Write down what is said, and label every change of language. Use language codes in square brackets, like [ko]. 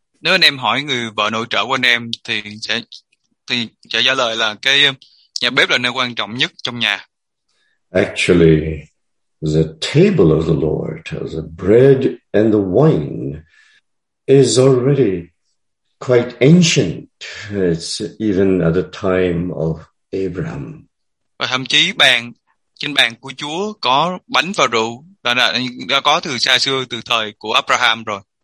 [vi] Nếu anh em hỏi người vợ nội trợ của anh em thì sẽ trả lời là cái nhà bếp là nơi quan trọng nhất trong nhà. [en] Actually, the table of the Lord, the bread and the wine, is already quite ancient. It's even at the time of Abraham. [vi] Và thậm chí bàn trên bàn của Chúa có bánh và rượu đã có từ xa xưa, từ thời của Abraham rồi.